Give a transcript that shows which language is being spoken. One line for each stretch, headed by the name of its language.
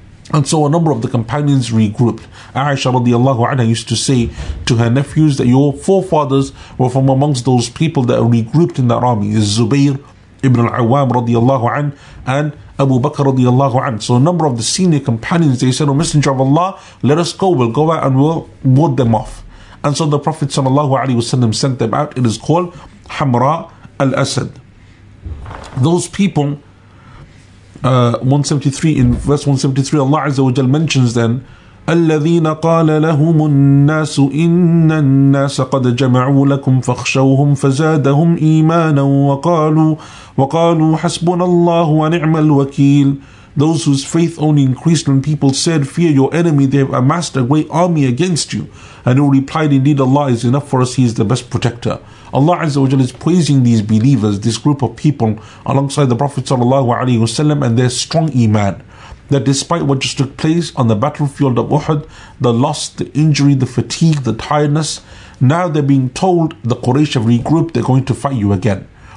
English: And so a number of the companions regrouped. Aisha radiallahu anha used to say to her nephews that your forefathers were from amongst those people that regrouped in that army, Zubayr ibn al-Awwam radiallahu anha, and Abu Bakr radiallahu anha. So a number of the senior companions, they said, O Messenger of Allah, let us go, we'll go out and we'll ward them off. And so the Prophet sallallahu alayhi wasallam sent them out. It is called Hamra al-Asad. Those people, 173, in verse 173, Allah Azza wa Jal mentions then,
Arabic: الَّذِينَ قَالَ لَهُمُ النَّاسُ إِنَّ النَّاسَ قَدْ جَمَعُوا لَكُمْ فَخْشَوْهُمْ فَزَادَهُمْ إِيمَانًا وَقَالُوا حَسْبُنَ اللَّهُ وَنِعْمَ الْوَكِيلُ.
English: Those whose faith only increased when people said, fear your enemy, they have amassed a great army against you. And who replied, indeed Allah is enough for us, He is the best protector. Allah Azza wa Jalla is praising these believers, this group of people, alongside the Prophet sallallahu alaihi wasallam and their strong iman, that despite what just took place on the battlefield of Uhud, the loss, the injury, the fatigue, the tiredness, now they're being told the Quraysh have regrouped, they're going to fight you again.